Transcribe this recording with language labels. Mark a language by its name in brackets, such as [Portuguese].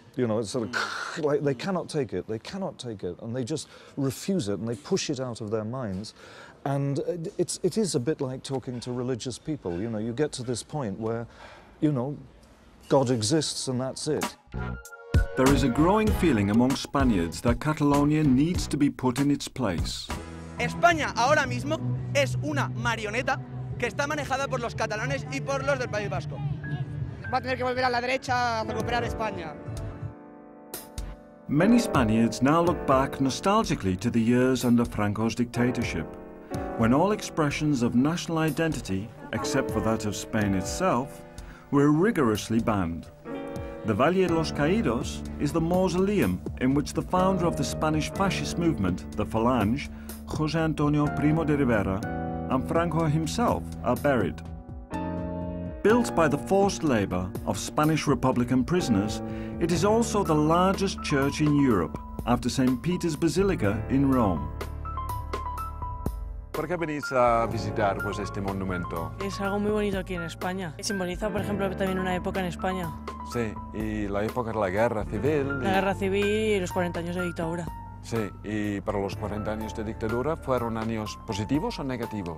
[English] You know, it's sort of like they cannot take it. They cannot take it, and they just refuse it, and they push it out of their minds. And it is a bit like talking to religious people. You know, you get to this point where, you know, God exists, and that's it. There is a growing feeling among Spaniards that Catalonia needs to be put in its place. [Spanish] España ahora mismo es una marioneta que está manejada por los catalanes y por los del País Vasco. Va a tener que volver a la derecha a recuperar España. [English] Many Spaniards now look back nostalgically to the years under Franco's dictatorship, when all expressions of national identity, except for that of Spain itself, were rigorously banned. The Valle de los Caídos is the mausoleum in which the founder of the Spanish fascist movement, the Falange, José Antonio Primo de Rivera, and Franco himself are buried. Built by the forced labor of Spanish Republican prisoners, it is also the largest church in Europe, after St. Peter's Basilica in Rome. [Spanish] ¿Por qué venís a visitar pues, este monumento? Es algo muy bonito aquí en España. Simboliza, por ejemplo, también una época en España. Sí, y la época de la guerra civil. La guerra civil y los 40 años de dictadura. Sí, y para los 40 años de dictadura, ¿fueron años positivos o negativos?